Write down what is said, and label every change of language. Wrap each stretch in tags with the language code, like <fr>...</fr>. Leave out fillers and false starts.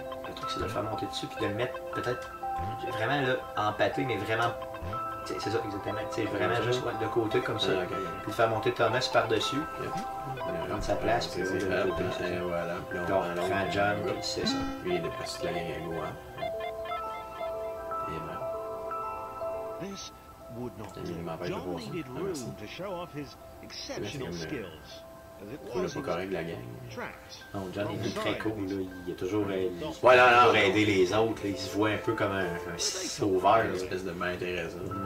<fr>Le truc, c'est de le faire monter dessus, puis de le mettre, peut-être, vraiment, là, empâté, mais vraiment... c'est ça, exactement. T'sais, vraiment juste ouais, de côté, comme ça. Okay. Puis de faire monter Thomas par-dessus. Prendre sa place, puis c'est là, c'est là, c'est voilà. Puis on prend long, John, puis c'est ça. Lui, il est pas sur la ligne à goût, hein. Et voilà.</fr> <en>This would not do. John needed room to show off his exceptional skills.</en> <fr>On l'a pas correct, la gang. Non, John est très cool, là. Il a toujours aidé, ouais, non, non, pour aider les autres. Il se voit un peu comme un sauveur. Une espèce de main Teresa.</fr>